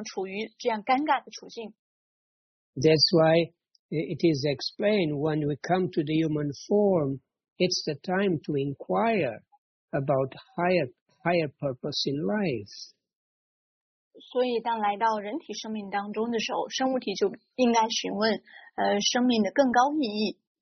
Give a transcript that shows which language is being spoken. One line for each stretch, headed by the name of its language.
Chinese: 人体生命当中的生物体有更发达的智性，他可以去询问，他为什么处于这样尴尬的处境。
English: That's why it is explained when we come to the human form, it's the time to inquire about higher purpose in life.
Chinese: 所以当来到人体生命当中的时候，生物体就应该询问生命的更高意义。